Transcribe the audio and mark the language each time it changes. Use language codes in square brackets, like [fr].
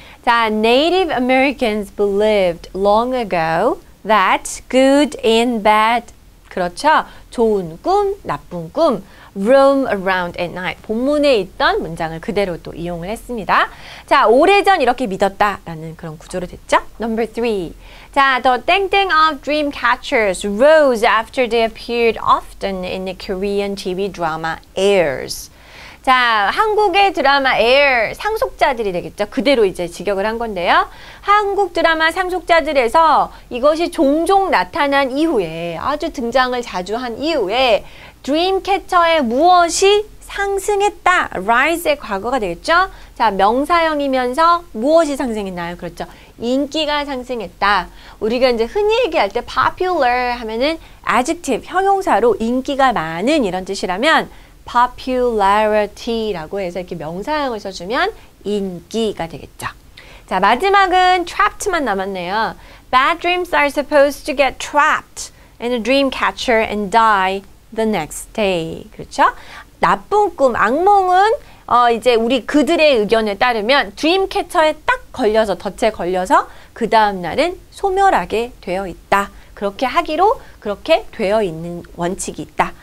[en] 자, Native Americans believed long ago. That good and bad, [ko] 그렇죠? 좋은 꿈, 나쁜 꿈, [en] roam around at night. [ko] 본문에 있던 문장을 그대로 또 이용을 했습니다. 자, 오래전 이렇게 믿었다라는 그런 구조로 됐죠? [en] Number three. 자, the 땡땡 of dream catchers rose after they appeared often in the Korean TV drama airs. [ko] 자, 한국의 드라마 Air 상속자들이 되겠죠. 그대로 이제 직역을 한 건데요. 한국 드라마 상속자들에서 이것이 종종 나타난 이후에 아주 등장을 자주 한 이후에 드림캐처의 무엇이 상승했다. Rise의 과거가 되겠죠. 자, 명사형이면서 무엇이 상승했나요? 그렇죠. 인기가 상승했다. 우리가 이제 흔히 얘기할 때 popular 하면은 adjective, 형용사로 인기가 많은 이런 뜻이라면 popularity라고 해서 이렇게 명사형을 써주면 인기가 되겠죠. 자, 마지막은 trapped만 남았네요. [en] Bad dreams are supposed to get trapped in a dream catcher and die the next day. [ko] 그렇죠? 나쁜 꿈, 악몽은 이제 우리 그들의 의견에 따르면 드림 캐처에 딱 걸려서 덫에 걸려서 그 다음 날은 소멸하게 되어 있다. 그렇게 하기로 그렇게 되어 있는 원칙이 있다.